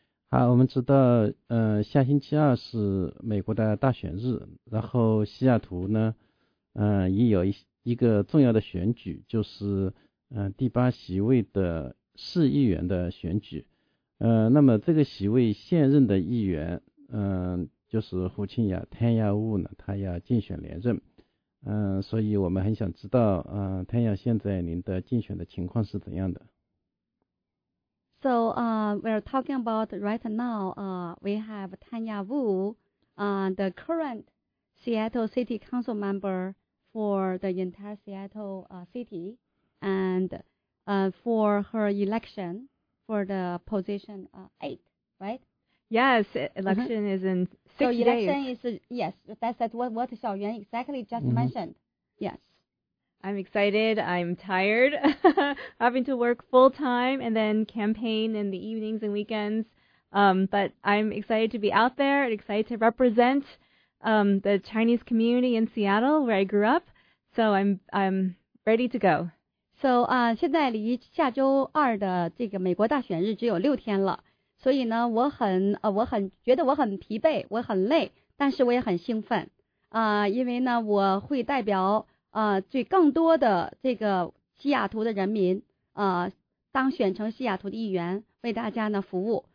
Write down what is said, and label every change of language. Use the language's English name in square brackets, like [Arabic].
[Chinese] 好，我们知道下星期二是美国的大选日，然后西雅图呢也有一个重要的选举，就是第八席位的市议员的选举。那么这个席位现任的议员就是胡清雅 Tanya Wu 呢，他要竞选连任。所以我们很想知道Tanya 现在您的竞选的情况是怎样的。 [English] So, we're talking about right now, we have Tanya Wu, the current Seattle City Council member for the entire Seattle City, and for her election for the position 8, right? Yes, election is in 6 days. So election days. Yes, that's what Xiao Yuan exactly just mentioned. Yes. I'm excited. I'm tired having to work full time and then campaign in the evenings and weekends. But I'm excited to be out there and excited to represent the Chinese community in Seattle where I grew up. So I'm ready to go. [Chinese] So 现在离下周二的这个美国大选日只有六天了。所以呢我很觉得我很疲惫，我很累，但是我也很兴奋。因为呢我会代表对更多的这个西雅图的人民当选成西雅图的议员为大家呢服务。